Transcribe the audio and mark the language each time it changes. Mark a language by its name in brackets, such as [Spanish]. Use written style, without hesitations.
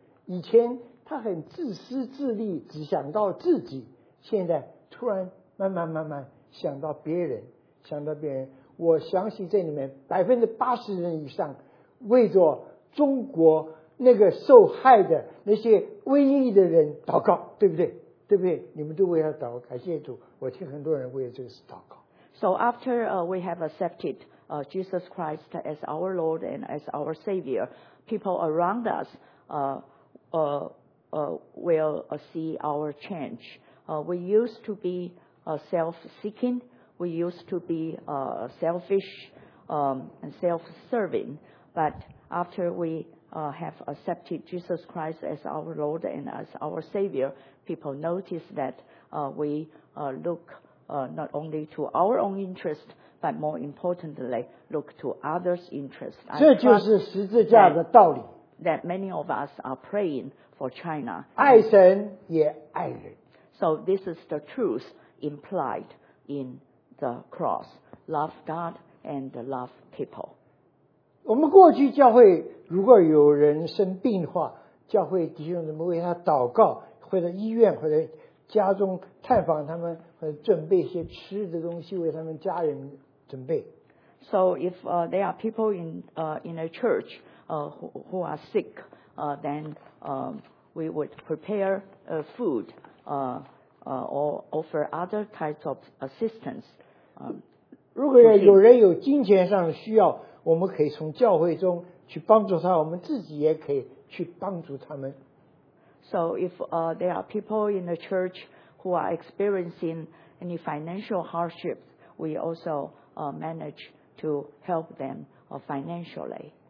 [Chinese] 以前他很自私自利，只想到自己，现在突然慢慢慢慢想到别人，想到别人。我相信这里面80%人以上为着中国那个受害的那些瘟疫的人祷告，对不对？对不对？你们都为他祷告，感谢主。我听很多人为了这个事祷告。 [English] So after we have accepted Jesus Christ as our Lord and as our Savior, people around us will see our change. We used to be self-seeking. We used to be selfish and self-serving. But after we have accepted Jesus Christ as our Lord and as our Savior, people notice that we look not only to our own interest, but more importantly, look to others' interest. [Chinese] 这就是十字架的道理。 [English] That many of us are praying for China. [Chinese] 爱神也爱人。 [English] So this is the truth implied in the cross. Love God and love people. [Chinese] 我们过去教会如果有人生病的话，教会弟兄姊妹为他祷告，或者医院或者家中探访他们，或者准备一些吃的东西为他们家人准备。 [English] So if there are people in a church who are sick, then we would prepare food or offer other types of assistance. [Chinese] 如果有人有金钱上的需要，我们可以从教会中去帮助他，我们自己也可以去帮助他们。 [English] So if there are people in the church who are experiencing any financial hardships, we also manage to help them financially.